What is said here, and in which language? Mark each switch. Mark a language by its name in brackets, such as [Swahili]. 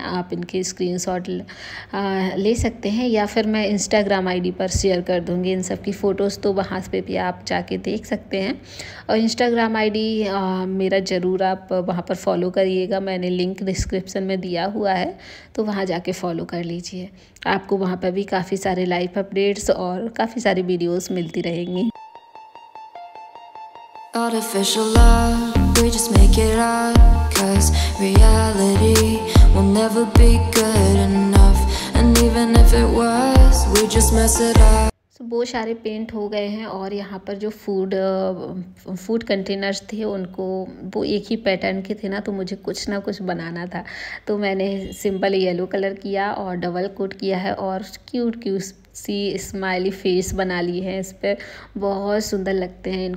[Hindi] आप इनके स्क्रीनशॉट ले सकते हैं या फिर मैं इंस्टाग्राम ID पर शेयर कर दूँगी इन सब की फ़ोटोज़, तो वहाँ पर भी आप जाके देख सकते हैं। और इंस्टाग्राम ID मेरा ज़रूर आप वहाँ पर फॉलो करिएगा, मैंने लिंक डिस्क्रिप्शन में दिया हुआ है, तो वहाँ जाके फॉलो कर लीजिए। आपको वहाँ पर भी काफ़ी सारे लाइव अपडेट्स और काफ़ी सारी वीडियोस मिलती रहेंगी। [English] Artificial love, we just make it up, 'cause reality will never be good enough, and even if it was, we just mess it up. [Hindi] वो सारे पेंट हो गए हैं और यहाँ पर जो फूड कंटेनर्स थे उनको, वो एक ही पैटर्न के थे ना, तो मुझे कुछ ना कुछ बनाना था, तो मैंने सिंपल येलो कलर किया और डबल कोट किया है और क्यूट क्यूट सी स्माइली फेस बना ली है इस पर, बहुत सुंदर लगते हैं।